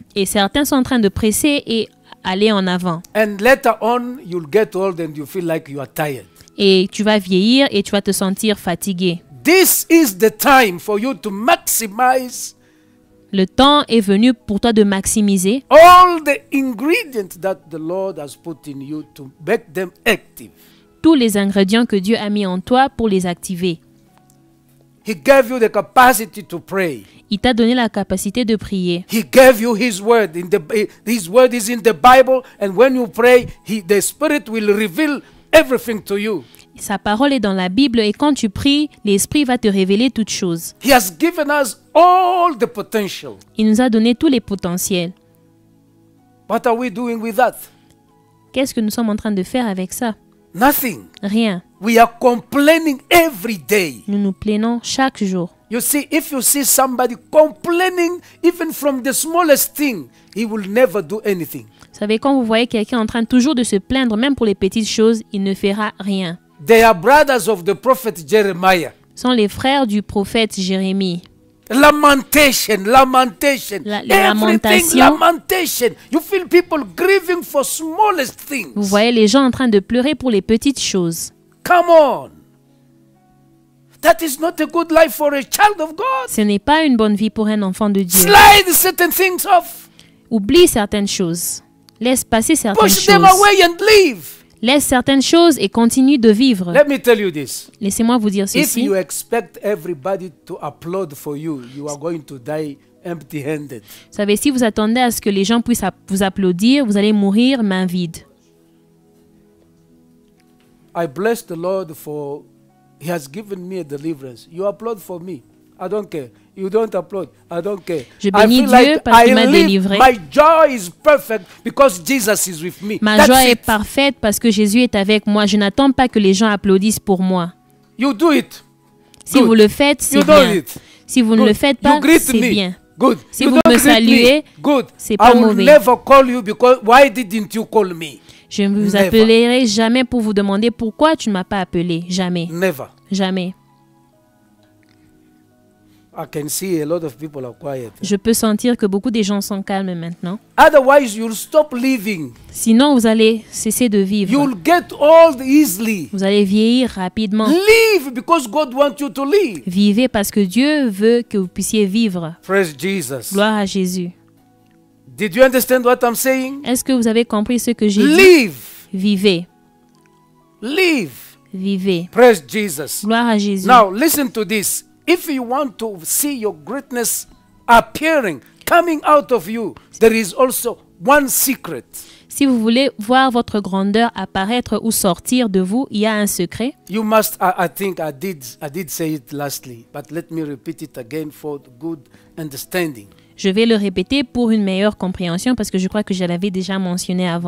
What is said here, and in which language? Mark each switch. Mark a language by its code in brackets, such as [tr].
[fr] Et certains sont en train de presser et aller en avant. [en] And later on, you'll get old and you feel like you are tired. [fr] Et tu vas vieillir et tu vas te sentir fatigué. [en] This is the time for you to maximize. [fr] Le temps est venu pour toi de maximiser. [en] All the ingredients that the Lord has put in you to make them active. [fr] Tous les ingrédients que Dieu a mis en toi pour les activer. [en] He gave you the capacity to pray. Il t'a donné la capacité de prier. He gave you his word. His word is in the Bible, and when you pray, the Spirit will reveal everything to you. [fr] Sa parole est dans la Bible, et quand tu pries, l'Esprit va te révéler toutes choses. [en] He has given us all the potential. [fr] Il nous a donné tous les potentiels. [en] What are we doing with that? [fr] Qu'est-ce que nous sommes en train de faire avec ça? [en] Nothing. [fr] Rien. [en] We are complaining every day. [fr] Nous nous plaignons chaque jour. [en] You see, if you see somebody complaining, even from the smallest thing, he will never do anything. [fr] Vous savez, quand vous voyez quelqu'un en train toujours de se plaindre, même pour les petites choses, il ne fera rien. [en] They are brothers of the prophet Jeremiah. [fr] Ils sont les frères du prophète Jérémie. [en] Lamentation. You feel people grieving for smallest things. [fr] Vous voyez les gens en train de pleurer pour les petites choses. [en] Come on. That is not a good life for a child of God. [fr] Ce n'est pas une bonne vie pour un enfant de Dieu. [en] Slide certain things off. [fr] Oublie certaines choses. Laisse passer certaines [en] Push [fr] choses. [en] Push them away and leave. [fr] Laisse certaines choses et continue de vivre. [en] Let me tell you this. [fr] Laissez-moi vous dire ceci. [en] If you expect everybody to applaud for you, you are going to die empty-handed. [fr] Vous savez, si vous attendez à ce que les gens puissent vous applaudir, vous allez mourir main vide. [en] I bless the Lord for He has given me a deliverance. You applaud for me. I don't care. You don't applaud. I don't care. [fr] Je bénis Dieu parce qu'il m'a délivré. [en] My joy is perfect because Jesus is with me. [fr] Ma joie est parfaite parce que Jésus est avec moi. Je n'attends pas que les gens applaudissent pour moi. [en] You do it. [fr] Si vous le faites, c'est bien. Si vous ne le faites pas, c'est bien. [en] Good. [fr] Si vous me saluez, c'est pas mauvais. [en] I will never call you because why didn't you call me? [fr] Je ne vous appellerai jamais pour vous demander pourquoi tu ne m'as pas appelé. Jamais. [en] Never. [fr] Jamais. [en] I can see a lot of people are quiet. [fr] Je peux sentir que beaucoup des gens sont calmes maintenant. [en] Otherwise, you'll stop living. [fr] Sinon, vous allez cesser de vivre. [en] You'll get old easily. [fr] Vous allez vieillir rapidement. [en] Live because God wants you to live. [fr] Vivez parce que Dieu veut que vous puissiez vivre. [en] Praise Jesus. [fr] Gloire à Jésus. [en] Did you understand what I'm saying? [fr] Est-ce que vous avez compris ce que j'ai dit? [en] Live. [fr] Vivez. [en] Live. [fr] Vivez. [en] Praise Jesus. [fr] Gloire à Jésus. [en] Now, listen to this. If you want to see your greatness appearing, coming out of you, there is also one secret. [fr] Si vous voulez voir votre grandeur apparaître ou sortir de vous, il y a un secret. [en] You must, I think I did say it lastly, but let me repeat it again for good understanding. [fr] Je vais le répéter pour une meilleure compréhension parce que je crois que je l'avais déjà mentionné avant.